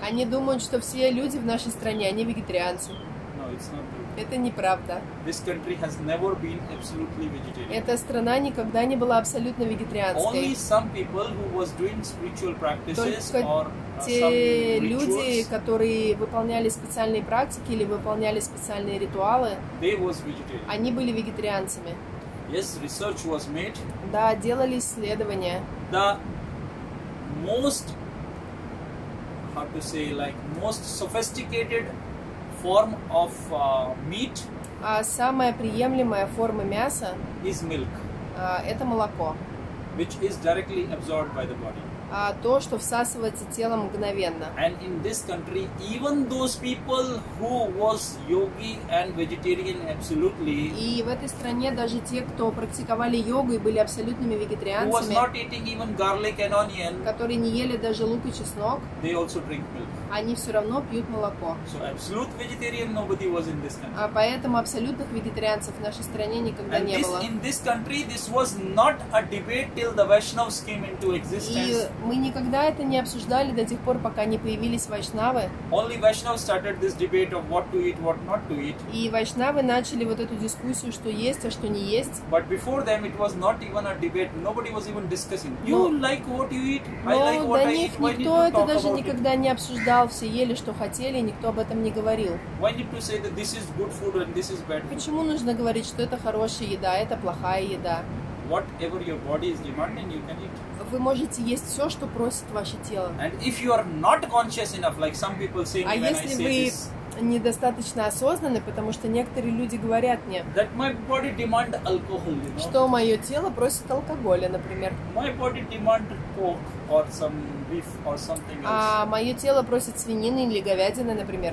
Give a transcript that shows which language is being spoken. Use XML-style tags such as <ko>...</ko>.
<ru>Они думают, что все люди в нашей стране, они вегетарианцы.</ru> <en>No, it's not true.</en> <ru>Это неправда.</ru> <en>This country has never been absolutely vegetarian.</en> <ru>Эта страна никогда не была абсолютно вегетарианской.</ru> <en>Only some people who was doing spiritual practices or some rituals.</en> <ru>Те люди, которые выполняли специальные практики или выполняли специальные ритуалы,</ru> <en>they was vegetarian.</en> <ru>Они были вегетарианцами.</ru> <en>Yes, research was made.</en> <ru>Да, делали исследования.</ru> <en>The most, how to say, like most sophisticated form of meat.</en> <ru>А самая приемлемая форма мяса</ru> <en>is milk.</en> <ru>Это молоко,</ru> <en>which is directly absorbed by the body.</en> <ru>то, что всасывается телом мгновенно.</ru> <en>And in this country, even those people who was yogi and vegetarian absolutely.</en> <ru>И в этой стране даже те, кто практиковали йогу и были абсолютными вегетарианцами.</ru> <en>Who was not eating even garlic and onion.</en> <ru>Которые не ели даже лук и чеснок.</ru> <en>They also drink milk.</en> <ru>Они все равно пьют молоко.</ru> <en>So absolute vegetarian nobody was in this country.</en> <ru>А поэтому абсолютных вегетарианцев в нашей стране никогда</ru> <en>and</en> <ru>не</ru> <en>this,</en> <ru>было.</ru> <en>In this country, this was not a debate till the Vaishnavas came into existence.</en> <ru>И мы никогда это не обсуждали до тех пор, пока не появились вайшнавы.</ru> <en>Only Vaishnavas started this debate of what to eat, what not to eat.</en> <ru>И вайшнавы начали вот эту дискуссию, что есть, а что не есть.</ru> <en>But before them it was not even a debate. Nobody was even discussing. You like what you eat? I like what I eat.</en> <ru>Но до них никто это даже никогда не обсуждал. Все ели, что хотели, и никто об этом не говорил.</ru> <en>Why did you say that this is good food and this is bad food?</en> <ru>Почему нужно говорить, что это хорошая еда, это плохая еда?</ru> <en>Whatever your body is demanding, you can eat.</en> <ru>Вы можете есть все, что просит ваше тело.</ru> <en>And if you are not conscious enough, like some people say,</en> <ru>а если вы недостаточно осознанны, потому что некоторые люди говорят мне,</ru> <en>that my body demand alcohol, you know?</en> <ru>Что мое тело просит алкоголя, например.</ru> <en>My body demand pork or some beef or something else.</en> <ru>А мое тело просит свинины или говядины, например.</ru>